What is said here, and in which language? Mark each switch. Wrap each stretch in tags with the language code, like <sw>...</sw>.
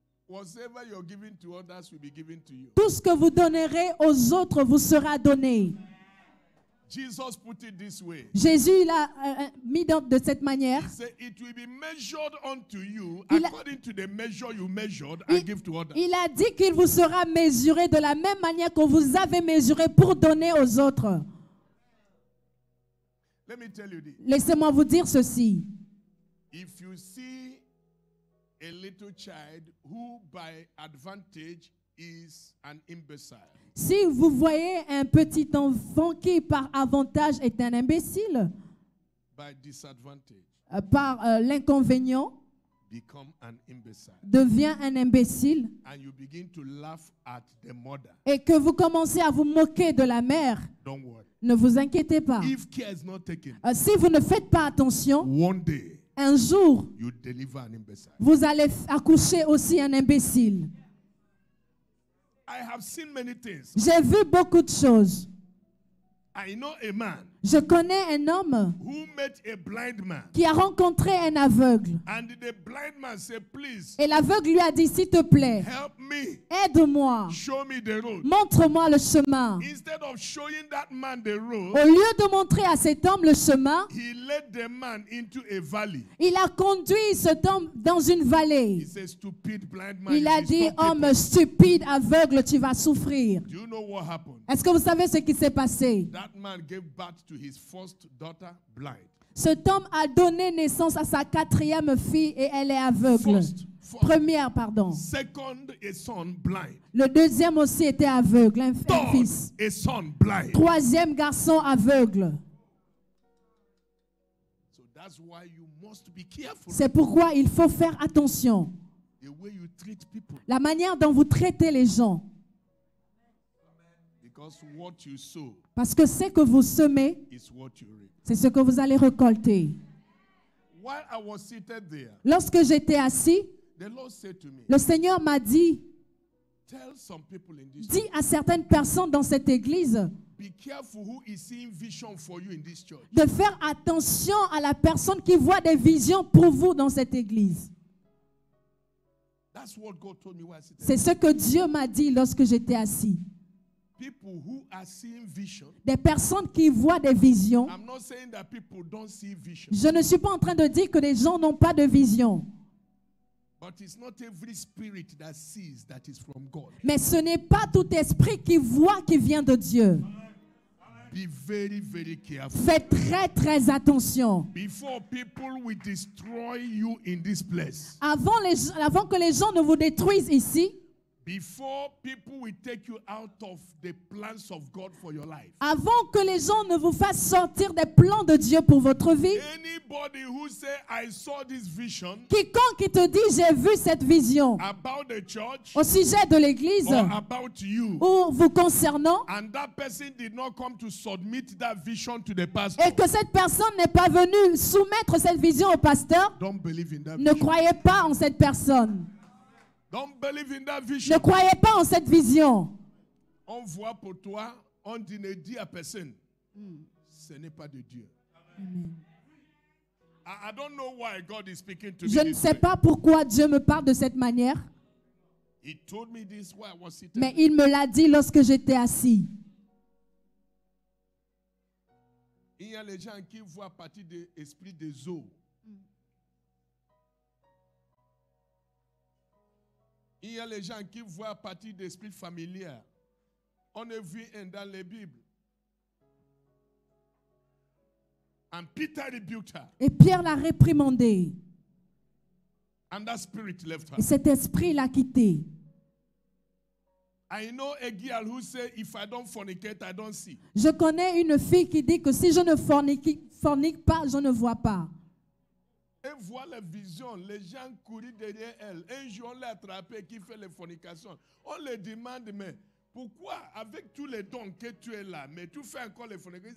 <en>Whatever you're giving to others will be given to you.</en> <fr>Tout ce que vous donnerez aux autres vous sera donné.</fr> <en>Jesus put it this way.</en> <fr>Jésus l'a mis de cette manière.</fr> <en>He said, it will be measured unto you according to the measure you measured and give to others.</en> <fr>Il a dit qu'il vous sera mesuré de la même manière que vous avez mesuré pour donner aux autres.</fr> <en>Let me tell you this.</en> <fr>Laissez-moi vous dire ceci.</fr> <en>If you see a little child who by advantage is an imbecile.</en> <fr>Si vous voyez un petit enfant qui par avantage est un imbécile,</fr> <en>by disadvantage,</en> <fr>par l'inconvénient,</fr> <en>become an imbecile,</en> <fr>devient un imbécile,</fr> <en>and you begin to laugh at the mother,</en> <fr>et que vous commencez à vous moquer de la mère,</fr> <en>don't worry,</en> <fr>ne vous inquiétez pas.</fr> <en>If care is not taken,</en> <fr>si vous ne faites pas attention,</fr> <en>one day,</en> <fr>un jour,</fr> <en>you deliver an imbecile.</en> <fr>Vous allez accoucher aussi un imbécile.</fr> <en>I have seen many things.</en> <fr>J'ai vu beaucoup de choses.</fr> <en>I know a man.</en> <fr>Je connais un homme</fr> <en>who met a blind man.</en> <fr>Qui a rencontré un aveugle.</fr> <en>And the blind man said, please,</en> <fr>et l'aveugle lui a dit, s'il te plaît,</fr> <en>help me.</en> <fr>Aide-moi.</fr> <en>Show me the road.</en> <fr>Montre-moi le chemin.</fr> <en>Instead of showing that man the road,</en> <fr>au lieu de montrer à cet homme le chemin,</fr> <en>he led the man into a valley.</en> <fr>Il a conduit cet homme dans une vallée.</fr> <en>He said, stupid blind man,</en> <fr>il a dit, homme stupide, aveugle, tu vas souffrir.</fr> <en>Do you know what happened?</en> <fr>Est-ce que vous savez ce qui s'est passé?</fr> <en>That man gave birth to his first daughter blind.</en> <fr>Cet homme a donné naissance à sa quatrième fille et elle est aveugle.</fr> <en>First,</en> <fr>première, pardon.</fr> <en>Second, a son blind.</en> <fr>Le deuxième aussi était aveugle, un</fr> <en>third,</en> <fr>fils.</fr> <en>A son blind.</en> <fr>Troisième garçon aveugle.</fr> <en>So that's why you must be careful.</en> <fr>C'est pourquoi il faut faire attention.</fr> <en>The way you treat people.</en> <fr>La manière dont vous traitez les gens.</fr> <en>Because what you sow,</en> <fr>parce que ce que vous semez,</fr> <en>is what you reap.</en> <fr>C'est ce que vous allez récolter.</fr> <en>While I was seated there,</en> <fr>lorsque j'étais assis,</fr> <en>the Lord said to me,</en> <fr>le Seigneur m'a dit,</fr> <en>tell some people in this</en> <fr>dis church, à certaines personnes dans cette église,</fr> <en>be careful who is seeing vision for you in this church.</en> <fr>De faire attention à la personne qui voit des visions pour vous dans cette église.</fr> <en>That's what God told me while I sat there.</en> <fr>C'est ce que Dieu m'a dit lorsque j'étais assis.</fr> <en>People who are seeing vision,</en> <fr>des personnes qui voient des visions.</fr> <en>I'm not saying that people don't see vision.</en> <fr>Je ne suis pas en train de dire que les gens n'ont pas de vision.</fr> <en>But it's not every spirit that sees that is from God.</en> <fr>Mais ce n'est pas tout esprit qui voit qui vient de Dieu.</fr> <en>Be very, very careful.</en> <fr>Fais très, très attention.</fr> <en>Before people will destroy you in this place.</en> <fr>Avant que les gens ne vous détruisent ici.</fr> <en>Before people will take you out of the plans of God for your life.</en> <fr>Avant que les gens ne vous fassent sortir des plans de Dieu pour votre vie.</fr> <en>Anybody who say I saw this vision.</en> <fr>Quiconque qui te dit j'ai vu cette vision.</fr> <en>About the church.</en> <fr>Au sujet de l'église.</fr> <en>Or about you.</en> <fr>Ou vous concernant.</fr> <en>And that person did not come to submit that vision to the pastor.</en> <fr>Et que cette personne n'est pas venue soumettre cette vision au pasteur.</fr> <en>Don't believe in that</en> <fr>vision. Ne croyez pas en cette personne.</fr> <en>Don't believe in that vision.</en> <fr>Ne croyez pas en cette vision. On voit pour toi, on dit ne dis à personne. Ce n'est pas de Dieu. Amen.</fr> <en>I don't know why God is speaking to</en> <fr>je ne sais pas pourquoi Dieu me parle de cette manière.</fr> <en>He told me this while I was sitting.</en> <fr>Mais il me l'a dit lorsque j'étais assis. Il y a les gens qui voient partir des esprits des eaux. Il y a les gens qui voient partir des esprits familiers. On a vu un dans les Bibles.</fr> <en>And Peter rebuked her.</en> <fr>Et Pierre l'a réprimandé.</fr> <en>And that spirit left her.</en> <fr>Et cet esprit l'a quitté.</fr> <en>I know a girl who says if I don't fornicate, I don't see.</en> <fr>Je connais une fille qui dit que si je ne fornique pas, je ne vois pas. Elle voit la vision, les gens courent derrière elle. Un jour, on l'a attrapée qui fait les fornications. On le demande, mais pourquoi avec tous les dons que tu es là, mais tu fais encore les fornications?</fr>